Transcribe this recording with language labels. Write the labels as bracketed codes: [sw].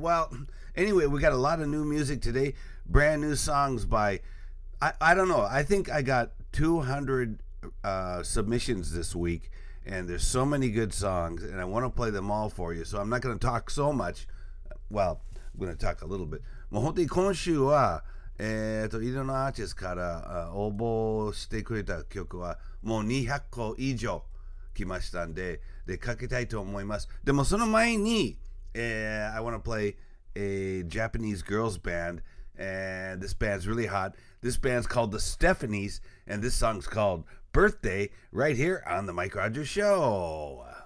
[en] Well, anyway, we got a lot of new music today. Brand new songs by I don't know. I think I got 200 submissions this week, and there's so many good songs, and I want to play them all for you, so I'm not going to talk so much. Well, I'm going to talk a little bit. [ja] もう本当に今週は、いろんなアーティストから応募してくれた曲は、もう200個以上来ましたんで、で、かけたいと思います。でもその前に、 [en] I want to play a Japanese girls band, and this band's really hot. This band's called The Stephanies, and this song's called Birthday, right here on The Mike Rogers Show.